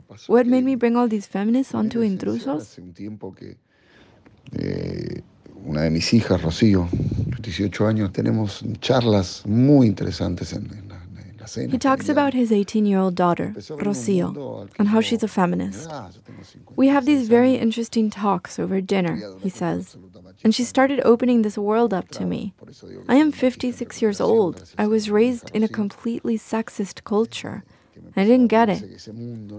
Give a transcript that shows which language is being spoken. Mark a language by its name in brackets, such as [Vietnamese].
[English] What made me bring all these feminists onto intrusos? [Spanish] Una de mis hijas, Rocío, 18 años, tenemos charlas muy interesantes en la cena. [English] He talks about his 18-year-old daughter, Rocío, and how she's a feminist. We have these very interesting talks over dinner, he says. And she started opening this world up to me. I am 56 years old. I was raised in a completely sexist culture. I didn't get it.